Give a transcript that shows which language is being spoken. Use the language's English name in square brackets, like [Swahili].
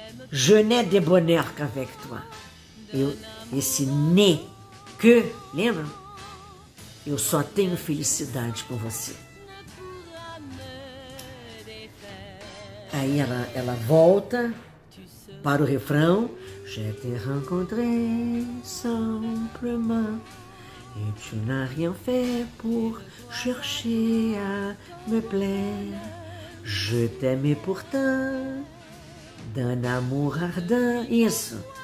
[French] Je n'ai de bonheur qu'avec toi. [Portuguese] Esse ne que, lembra? Eu só tenho felicidade com você. Aí ela volta para o refrão. [French] Je t'ai rencontré simplement. Et tu n'as rien fait pour chercher à me plaire. Je t'aimais pourtant d'un amour ardent. Isso.